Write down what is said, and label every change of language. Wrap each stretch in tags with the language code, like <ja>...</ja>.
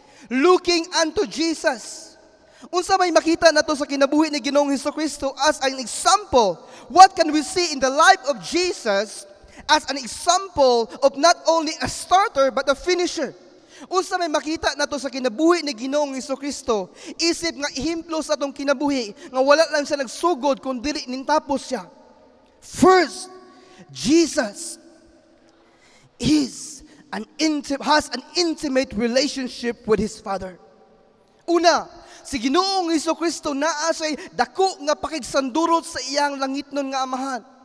<en>Looking unto Jesus.</en> <ceb>Unsa may makita nato sa kinabuhi ni Ginoong Hesukristo</ceb> <en>as an example? What can we see in the life of Jesus as an example of not only a starter but a finisher?</en> <ceb>Unsa may makita nato sa kinabuhi ni Ginoong Hesukristo? Isip nga ihimplo sa atong kinabuhi nga wala lang siya nagsugod kundi nintapos siya.</ceb> <en>First, Jesus has an intimate relationship with his Father.</en> <ceb>Una, si Ginoong Hesukristo naa siya dako nga pakigsandurot sa iyang langitnon nga amahan.</ceb>